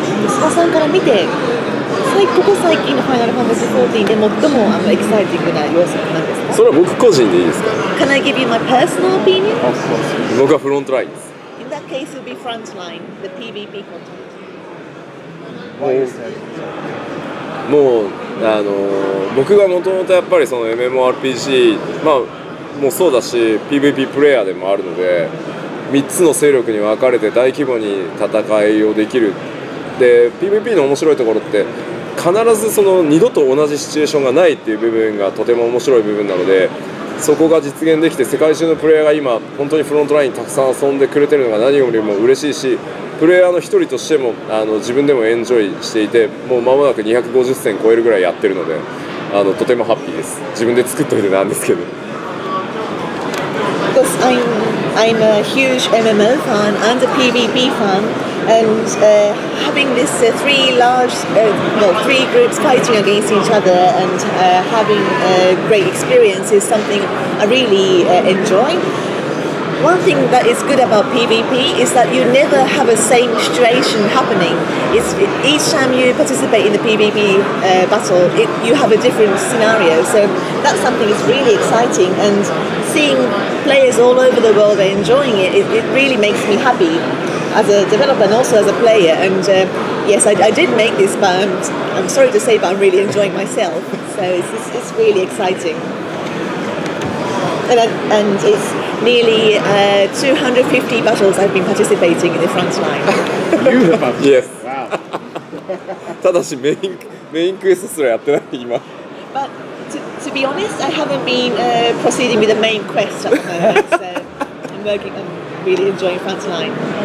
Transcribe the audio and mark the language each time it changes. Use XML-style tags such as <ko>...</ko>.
<ja>スタさんから見て、ここ最近のファイナルファンタジー14で最もエキサイティングな要素なんですか？それは僕個人でいいですか？</ja> <en>Can I give you my personal opinion? Of course.</en> <ja>僕はフロントラインです。</ja> <en>In that case, it would be front line, the PvP content. Why is that?</en> <ja>もう、僕がもともとやっぱりその MMORPG、まあ、もうそうだし、PvP プレイヤーでもあるので、3つの勢力に分かれて大規模に戦いをできる。で、PVP の面白いところって必ずその二度と同じシチュエーションがないっていう部分がとても面白い部分なので、そこが実現できて世界中のプレイヤーが今本当にフロントラインにたくさん遊んでくれてるのが何よりも嬉しいし、プレイヤーの一人としても自分でもエンジョイしていて、もう間もなく250戦超えるぐらいやってるので、とてもハッピーです。自分で作っといてなんですけど。</ja> <en>I'm a huge MMO fan and a PvP fan, and having this three groups fighting against each other and having a great experience is something I really enjoy. One thing that is good about PvP is that you never have a same situation happening. Each time you participate in the PvP battle, you have a different scenario, so that's something that's really exciting. And seeing players all over the world are enjoying it really makes me happy as a developer and also as a player. And yes, I did make this, but I'm sorry to say, but I'm really enjoying myself. So it's really exciting. And it's nearly 250 battles I've been participating in the front line. Yes. Wow.</en> <ja>ただしメインクエストすらやってない今。</ja> <en>To be honest, I haven't been proceeding with the main quest at the moment, so I'm really enjoying Frontline.</en>